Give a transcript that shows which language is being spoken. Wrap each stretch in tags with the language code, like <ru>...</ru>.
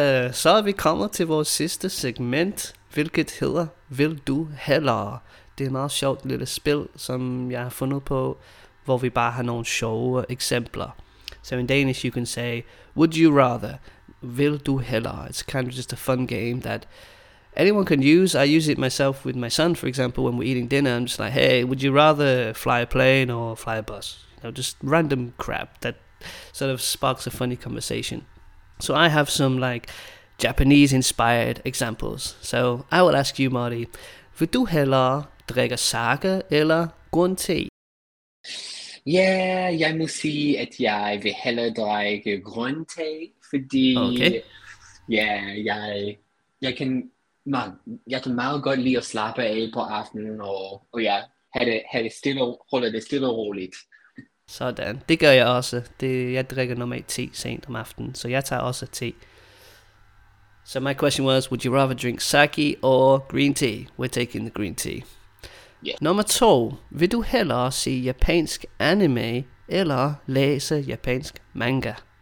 <da>Så vi kommer til vores sidste segment, hvilket hedder Vil du hellere? Det er et meget sjovt lille spil, som jeg har fundet på, hvor vi bare har nogle sjove eksempler.</da> <en>So in Danish, you can say, would you rather, vil du hellere? It's kind of just a fun game that anyone can use. I use it myself with my son, for example, when we're eating dinner. I'm just like, hey, would you rather fly a plane or fly a bus? You know, just random crap that sort of sparks a funny conversation. So I have some like Japanese-inspired examples. So I will ask you,</en> <da>Marty, vil du hellere drikke sake eller grøn te? Ja, yeah, jeg må sige, at jeg vil hellere drikke grøn te, Okay. fordi ja, jeg kan meget godt lide at slappe af på aftenen og ja, have det stille, holde det stille og roligt. Sådan, det gør jeg også. Jeg drikker normalt te sent om aftenen, så jeg tager også te.</da> <en>So my question was, would you rather drink sake or green tea? We're taking the green tea.</en> <da>Nummer to, vil du hellere se japansk anime eller læse japansk manga?</da>